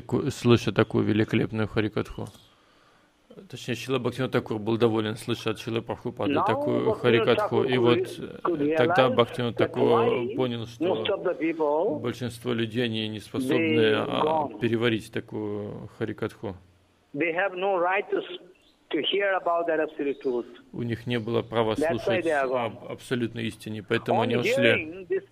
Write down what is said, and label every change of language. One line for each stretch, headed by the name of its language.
Russian: Слыша такую великолепную Харикатху. Точнее, Шрила Бхактивинода Такур был доволен, слыша от Шрилы Прабхупады такую Харикатху. И вот тогда Бхактивинода Такур понял, что большинство людей они не способны переварить такую Харикатху.
English: They have no right to hear about that absolute truth.
Russian: У них не было права слушать об абсолютной истине, поэтому они ушли.